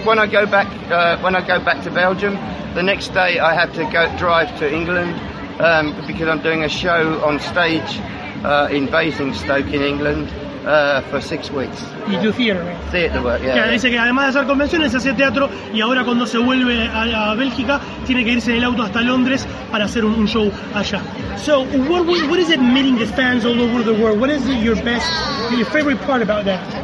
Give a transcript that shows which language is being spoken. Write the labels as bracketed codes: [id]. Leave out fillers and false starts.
[en] When I go back to Belgium, the next day I have to go drive to England because I'm doing a show on stage in Basingstoke in England. For 6 weeks. You do theater, right? Theater work, yeah. [es] Yeah, dice que además de hacer convenciones, hace teatro y ahora cuando se vuelve a Bélgica, tiene que irse en el auto hasta Londres para hacer un show allá. [en] So, what is it meeting the fans all over the world? What is your best, your favorite part about that?